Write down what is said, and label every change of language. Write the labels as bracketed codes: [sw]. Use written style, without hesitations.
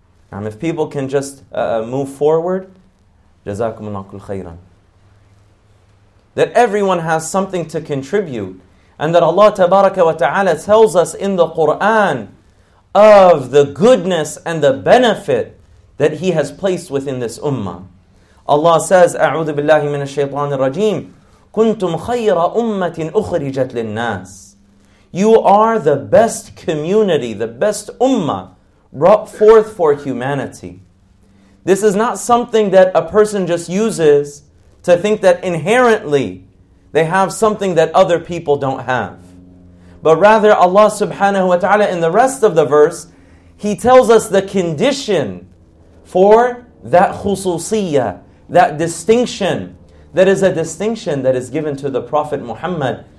[en] And if people can just move forward, jazakumullahu kull khayran. That everyone has something to contribute, and that Allah tabaraka wa ta'ala tells us in the Quran of the goodness and the benefit that He has placed within this ummah. Allah says, [ar] أعوذ بالله من الشيطان الرجيم كنتم خير أمة أخرجت للناس. [en] You are the best community, the best ummah brought forth for humanity. This is not something that a person just uses to think that inherently they have something that other people don't have. But rather Allah subhanahu wa ta'ala in the rest of the verse, He tells us the condition for that khususiyya, that distinction, that is a distinction that is given to the Prophet Muhammad